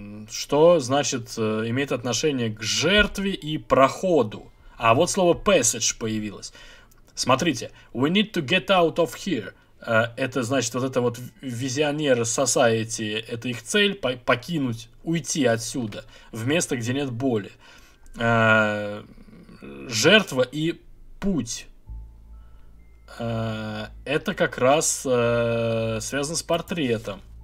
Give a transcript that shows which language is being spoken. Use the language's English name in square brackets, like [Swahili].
[Russian] Что, значит, имеет отношение к жертве и проходу. А вот слово passage появилось. Смотрите, [English] we need to get out of here. [Russian] Это, значит, вот это вот визионеры society, это их цель, покинуть, уйти отсюда, в место, где нет боли. Жертва и путь. Это как раз связано с портретом.